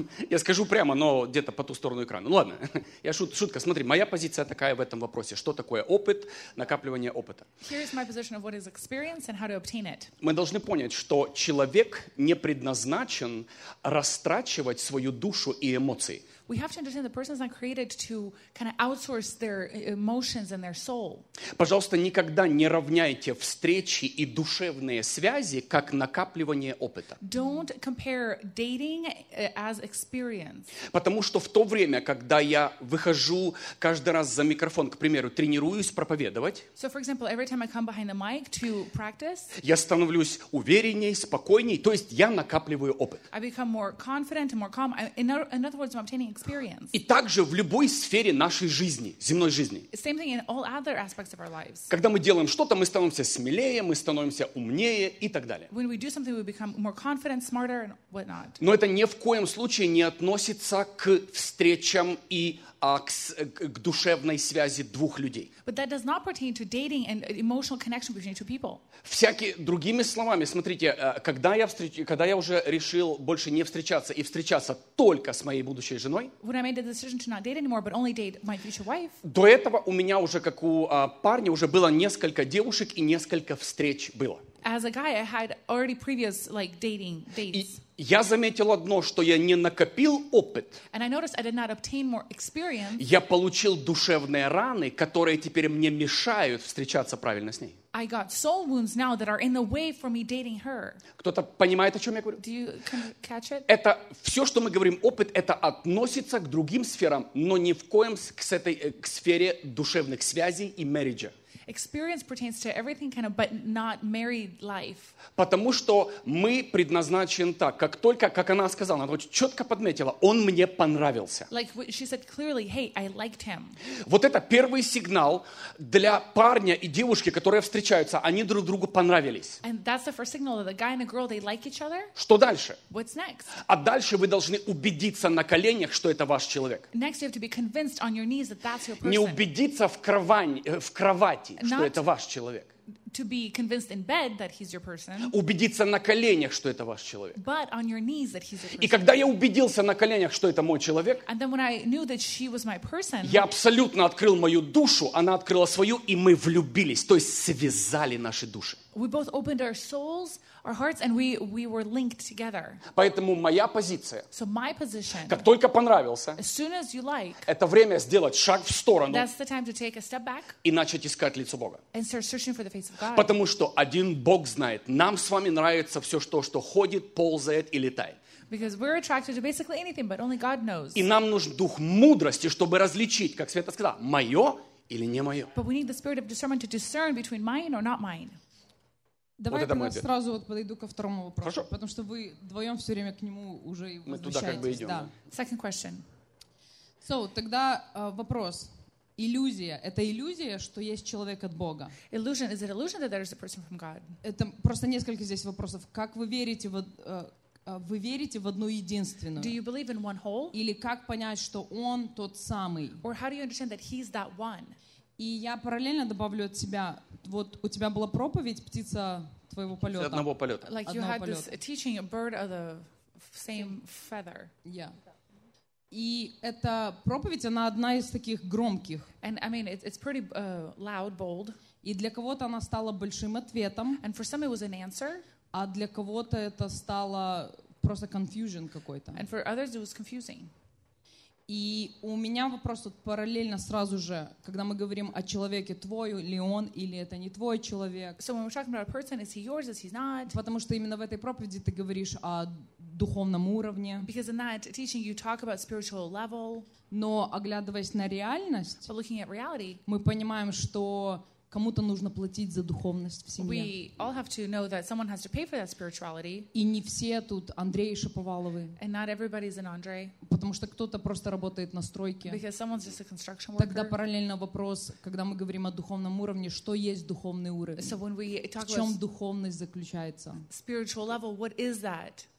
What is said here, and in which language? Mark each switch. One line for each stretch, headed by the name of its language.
Russian: Я скажу прямо, но где-то по ту сторону экрана. Ну ладно, я шутка. Смотри, моя позиция такая в этом вопросе. Что такое опыт, накапливание опыта? Мы должны понять, что человек не предназначен растрачивать свою душу и эмоции.
English: We have to understand the person is not created to kind of outsource their emotions and their soul.
Russian: Пожалуйста, никогда не равняйте встречи и душевные связи как накапливание опыта.
English: Don't compare dating as experience.
Russian: Потому что в то время, когда я выхожу каждый раз за микрофон, к примеру, тренируюсь проповедовать,
English: so for example, every time I come behind the mic to practice,
Russian: я становлюсь увереннее, спокойнее, то есть я накапливаю опыт.
English: I become more confident and more calm. In other words, I'm obtaining experience.
Russian: И также в любой сфере нашей жизни, земной жизни.
English: Same thing in all other aspects of our lives.
Russian: Когда мы делаем что-то, мы становимся смелее, мы становимся умнее и так далее.
English: When we do something, we become more confident, smarter and whatnot.
Russian: Но это ни в коем случае не относится к встречам и к душевной связи двух людей.
English: But that does not pertain to dating and emotional connection between two people.
Russian: Всякие другими словами, смотрите, когда я уже решил больше не встречаться и встречаться только с моей будущей женой.
English: When I made the decision to not date anymore, but only date my future wife.
Russian: До этого у меня уже как у парня уже было несколько девушек и несколько встреч было.
English: As a guy, I had already previous like dating dates.
Russian: Я заметил одно, что я не накопил опыт.
English: And I noticed I did not obtain more experience.
Russian: Я получил душевные раны, которые теперь мне мешают встречаться правильно с ней.
English: I got soul wounds now that are in the way for me dating her.
Russian: Кто-то понимает, о чем я говорю?
English: Do you catch it?
Russian: Это все, что мы говорим, опыт, это относится к другим сферам, но ни в коем к сфере душевных связей и мэриджа.
English: Experience pertains to everything kind of but not married life.
Russian: Потому что мы предназначен так, как только, как она сказала, она очень четко подметила, он мне понравился.
English: Like she said clearly, hey, I liked him.
Russian: Вот это первый сигнал для парня и девушки, которые встречаются, они друг другу понравились.
English: And that's the first signal that the guy and the girl they like each other?
Russian: Что дальше?
English: What's next?
Russian: А дальше вы должны убедиться на коленях, что это ваш человек.
English: Next you have to be convinced on your knees that that's your person.
Russian: Не убедиться в кровать. Что это ваш человек.
English: To be convinced in bed that he's your person.
Russian: Убедиться на коленях, что это ваш человек.
English: But on your knees that he's your person.
Russian: И когда я убедился на коленях, что это мой человек,
English: and then when I knew that she was my person,
Russian: я абсолютно открыл мою душу, она открыла свою, и мы влюбились, то есть связали наши души.
English: We both opened our souls, our hearts, and we were linked together.
Russian: Поэтому моя позиция,
English: so my position,
Russian: как только понравился,
English: as soon as you like,
Russian: это время сделать шаг в сторону,
English: that's the time to take a step back,
Russian: и начать искать лицо Бога.
English: And start searching for the face of God.
Russian: Потому что один Бог знает, нам с вами нравится все то, что ходит, ползает и летает.
English: Because we're attracted to basically anything, but only God knows.
Russian: И нам нужен дух мудрости, чтобы различить, как Света сказала, мое или не мое.
English: But we need the spirit of discernment to discern between mine or not mine.
Russian: Давай вот я тогда сразу вот подойду ко второму вопросу. Хорошо. Потому что вы вдвоем все время к нему уже возвращаетесь. Мы туда как бы идем. Да.
English: Second question. So,
Russian: тогда вопрос. Иллюзия. Это иллюзия, что есть человек от Бога?
English: Illusion. Is it illusion that there is a person from God?
Russian: Это просто несколько здесь вопросов. Как вы верите в... Вы верите в одну единственную?
English: Do you believe in one whole?
Russian: Или как понять, что он тот самый?
English: Or how do you understand that he's that one?
Russian: И я параллельно добавлю от себя... Вот у тебя была проповедь птица твоего полета. Одного полета.
English: Like you had this teaching a bird of the same feather. Yeah.
Russian: И эта проповедь она одна из таких громких.
English: And I mean it's pretty loud, bold.
Russian: И для кого-то она стала большим ответом.
English: And for some it was an answer.
Russian: А для кого-то это стало просто
English: confusion
Russian: какой-то.
English: And for others it was confusing.
Russian: И у меня вопрос вот параллельно сразу же, когда мы говорим о человеке, твой ли он или это не твой человек.
English: So when we're talking about a person, is he yours, is he not?
Russian: Потому что именно в этой проповеди ты говоришь о духовном уровне.
English: Because in that teaching you talk about spiritual level.
Russian: Но оглядываясь на реальность,
English: but looking at reality,
Russian: мы понимаем, что кому-то нужно платить за духовность в семье.
English: We all have to know that someone has to pay for that spirituality.
Russian: И не все тут Андрей Шаповаловы.
English: And not everybody's an Andre.
Russian: Потому что кто-то просто работает на стройке.
English: Because someone's just a construction worker.
Russian: Тогда параллельно вопрос, когда мы говорим о духовном уровне, что есть духовный уровень?
English: So when we talk about...
Russian: В чем духовность заключается?
English: Spiritual level, what is that?